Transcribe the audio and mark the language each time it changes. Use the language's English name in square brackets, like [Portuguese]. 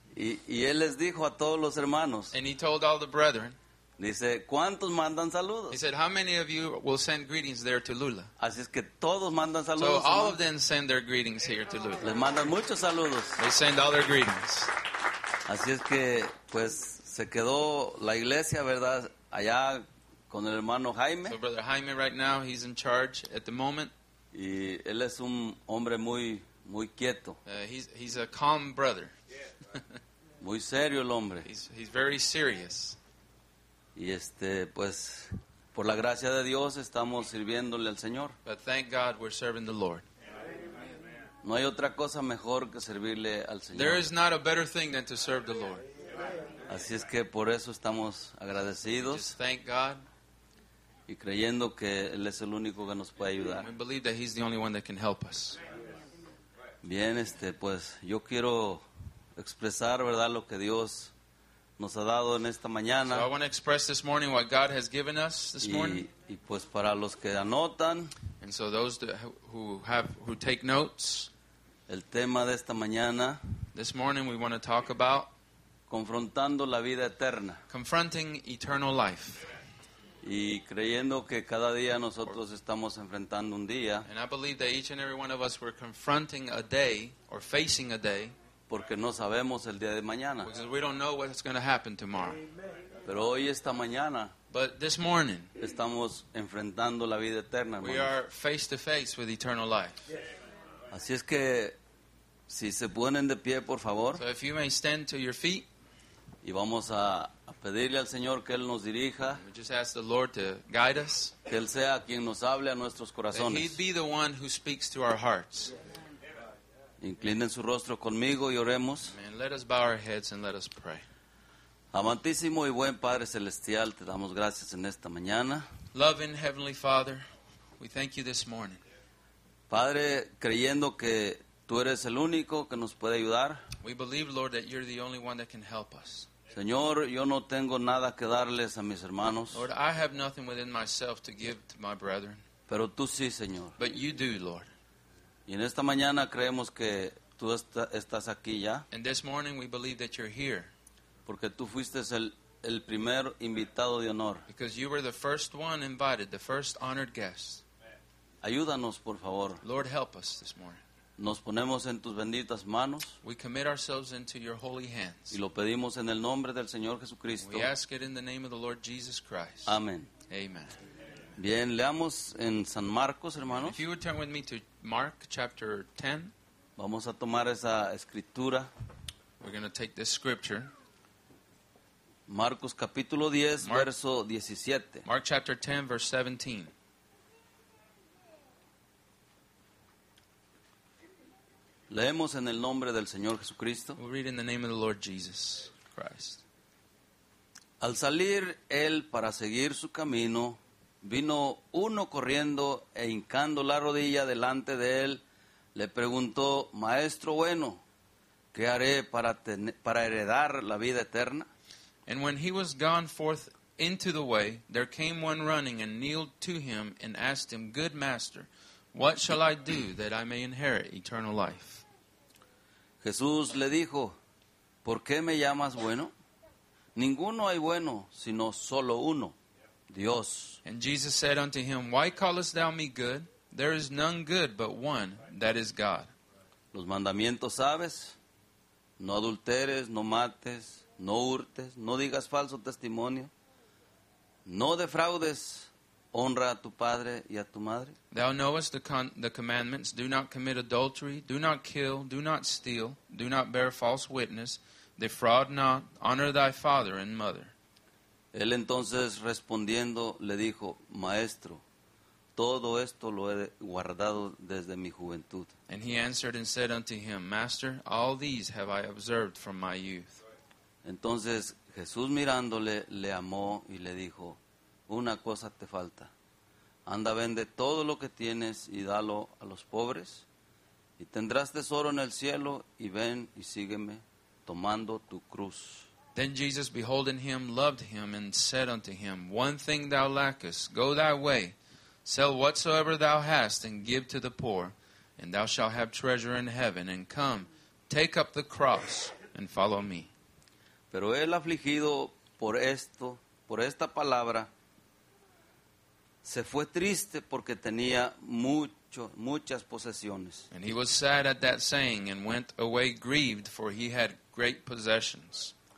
[Spanish] Y él les dijo a todos los hermanos. [English] And he told all the brethren. [Spanish] Dice, ¿cuántos mandan saludos? [English] He said, how many of you will send greetings there to Lula? [Spanish] Así es que todos mandan saludos. [English] So all of them send their greetings here to Lula. [Spanish] Les mandan muchos saludos. [English] They send all their greetings. [Spanish] Así es que, pues, se quedó la iglesia, ¿verdad? Allá con el hermano Jaime. [English] So Brother Jaime right now, he's in charge at the moment. [Spanish] Y él es un hombre muy quieto. [English] He's a calm brother. [Spanish] Muy serio el hombre. [English] He's very serious. [Spanish] Y pues por la gracia de Dios estamos sirviéndole al Señor. [English] But thank God we're serving the Lord. [Spanish] No hay otra cosa mejor que servirle al Señor. [English] There is not a better thing than to serve the Lord. [Spanish] Así es que por eso estamos agradecidos. [English] Just thank God. [Spanish] Y creyendo que Él es el único que nos puede ayudar. [English] We believe that He's the only one that can help us. [Spanish] Bien, pues yo quiero expresar, ¿verdad?, lo que Dios nos ha dado en esta mañana. [English] So I want to express this morning what God has given us this morning. [Spanish] Y pues para los que anotan. [English] And so those who take notes. [Spanish] El tema de esta mañana. [English] This morning we want to talk about. [Spanish] Confrontando la vida eterna. [English] Confronting eternal life. [Spanish] Y creyendo que cada día nosotros estamos enfrentando un día. [English] And I believe that each and every one of us were confronting a day or facing a day. [Spanish] Porque no sabemos el día de mañana. [English] Because we don't know what's going to happen tomorrow. [Spanish] Pero hoy esta mañana. [English] But this morning. [Spanish] Estamos enfrentando la vida eterna. [English] We are face to face with eternal life. [Spanish] Así es que si se ponen de pie, por favor. [English] So if you may stand to your feet. [Spanish] Y vamos a pedirle al Señor que Él nos dirija. [English] We just ask the Lord to guide us. [Spanish] Que Él sea quien nos hable a nuestros corazones. [English] That He'd be the one who speaks to our hearts. [Spanish] Inclinen su rostro conmigo y oremos. [English] Amen. Let us bow our heads and let us pray. [Spanish] Amantísimo y buen Padre Celestial, te damos gracias en esta mañana. [English] Loving Heavenly Father, we thank you this morning. [Spanish] Padre, creyendo que tú eres el único que nos puede ayudar. [English] We believe, Lord, that you're the only one that can help us. [Spanish] Señor, yo no tengo nada que darles a mis hermanos. [English] Lord, I have nothing within myself to give to my brethren. [Spanish] Pero tú sí, Señor. [English] But you do, Lord. [Spanish] Y en esta mañana creemos que tú estás aquí ya. [English] And this morning we believe that you're here. [Spanish] Porque tú fuiste el primer invitado de honor. [English] Because you were the first one invited, the first honored guest. [Spanish] Ayúdanos, por favor. [English] Lord, help us this morning. [Spanish] Nos ponemos en tus benditas manos. [English] We commit ourselves into your holy hands. [Spanish] Y lo pedimos en el nombre del Señor Jesucristo. [English] We ask it in the name of the Lord Jesus Christ. [Spanish] Amén. [English] Amen. [Spanish] Bien, leamos en San Marcos, hermanos. [English] If you would turn with me to Mark chapter 10. [Spanish] Vamos a tomar esa escritura. [English] We're going to take this scripture. [Spanish] Marcos capítulo 10, verso 17. [English] Mark chapter 10, verse 17. [Spanish] Leemos en el nombre del Señor Jesucristo. [English] We'll read in the name of the Lord Jesus Christ. [Spanish] Al salir él para seguir su camino, vino uno corriendo e hincando la rodilla delante de él, le preguntó, Maestro bueno, ¿qué haré para heredar la vida eterna? [English] And when he was gone forth into the way, there came one running and kneeled to him and asked him, Good Master, what shall I do that I may inherit eternal life? [Spanish] Jesús le dijo, ¿por qué me llamas bueno? Ninguno hay bueno, sino solo uno, Dios. [English] And Jesus said unto him, Why callest thou me good? There is none good but one, that is God. [Spanish] Los mandamientos sabes, no adulteres, no mates, no hurtes, no digas falso testimonio, no defraudes, honra a tu padre y a tu madre. [English] Thou knowest the commandments. Do not commit adultery. Do not kill. Do not steal. Do not bear false witness. Defraud not. Honor thy father and mother. [Spanish] Él entonces respondiendo le dijo, Maestro, todo esto lo he guardado desde mi juventud. [English] And he answered and said unto him, Master, all these have I observed from my youth. [Spanish] Entonces Jesús mirándole le amó y le dijo, Una cosa te falta. Anda, vende todo lo que tienes y dalo a los pobres. Y tendrás tesoro en el cielo y ven y sígueme tomando tu cruz. [English] Then Jesus, beholding him, loved him and said unto him, One thing thou lackest, go thy way. Sell whatsoever thou hast and give to the poor. And thou shalt have treasure in heaven. And come, take up the cross and follow me. [Spanish] Pero él afligido por esto, por esta palabra, se fue triste porque tenía muchas posesiones. [English] And he was sad at that saying and went away grieved, for he had great possessions.